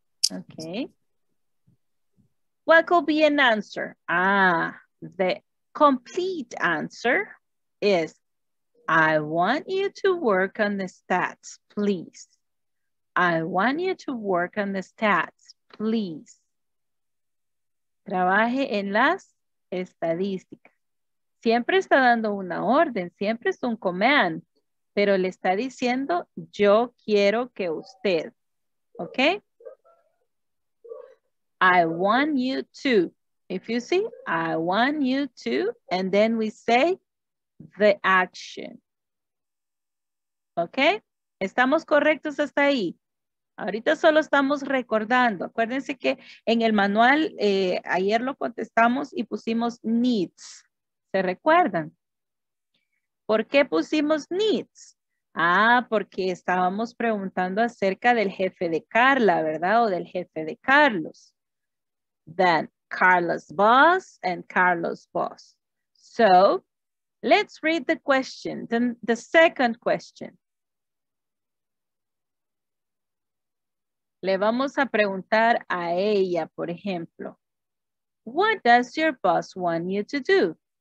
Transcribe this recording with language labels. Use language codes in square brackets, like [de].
[en] Okay. What could be an answer? The complete answer is, I want you to work on the stats, please. I want you to work on the stats, please. [es] Trabaje en las estadísticas. Siempre está dando una orden, siempre es un command, pero le está diciendo, yo quiero que usted, ¿ok? [en] I want you to. If you see, I want you to, and then we say the action. [es] Okay? ¿Estamos correctos hasta ahí? Ahorita solo estamos recordando. Acuérdense que en el manual ayer lo contestamos y pusimos needs. ¿Se recuerdan? ¿Por qué pusimos needs? Ah, porque estábamos preguntando acerca del jefe de Carla, ¿verdad? O del jefe de Carlos. [en] Then Carla's boss and Carlos' boss. So, let's read the question. The second question. [es] Le vamos a preguntar a ella, por ejemplo. [en] What does your boss want you to do?